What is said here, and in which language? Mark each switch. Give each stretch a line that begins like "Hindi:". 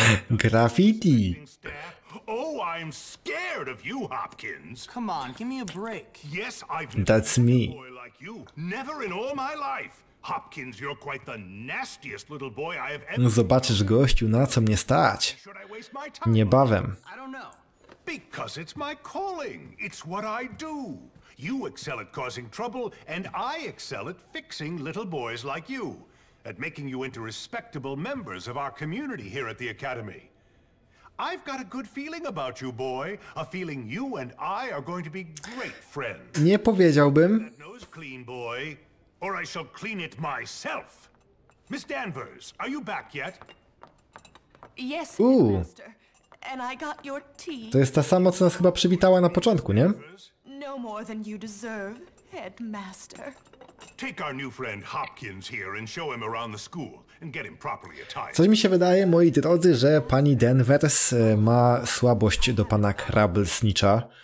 English: Graffiti. Oh, I'm scared of you, Hopkins. Come on, give me a break. Yes, I've never That's me. Seen a boy like you. Never in all my life. Hopkins, you're quite the nastiest little boy I have ever.
Polish: Zobaczysz, gościu, na co mnie stać. Niebawem.
English: I don't know. Because it's my calling. It's what I do. You excel at causing trouble, and I excel at fixing little boys like you, at making you into respectable members of our community here at the Academy. I've got a good feeling about you, boy, a feeling you and I are going to be great friends.
Polish: Nie powiedziałbym.
English: That nose clean, boy, or I shall clean it myself. Miss Danvers, are you back yet? Yes, Master. And I got your tea.
Polish: To jest ta sama, co nas chyba przywitała na początku, nie?
English: No more than you deserve. Headmaster. Take our new friend Hopkins here and show him around the school and get him properly attired.
Polish: Coś mi się wydaje, moi drodzy, że pani Danvers ma słabość do pana Krabblesnitcha.